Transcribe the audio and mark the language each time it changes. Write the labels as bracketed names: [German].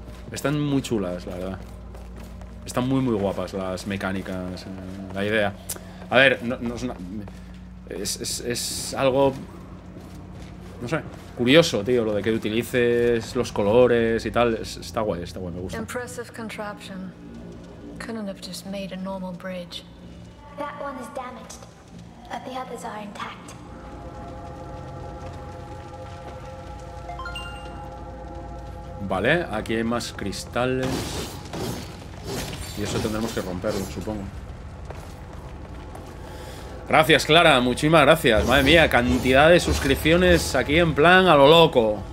[Spanish] Están muy chulas, la verdad. Están muy, muy guapas las mecánicas, la idea. A ver, no es una... Es algo... No sé, curioso, tío, lo de que utilices los colores y tal. Está guay, me gusta. [English] Impressive contraption. Couldn't have just made a normal bridge. That one is damaged, but the others are intact. [Spanish] Vale, aquí hay más cristales. Y eso tendremos que romperlo, supongo. Gracias, Clara, muchísimas gracias. Madre mía, cantidad de suscripciones aquí en plan a lo loco.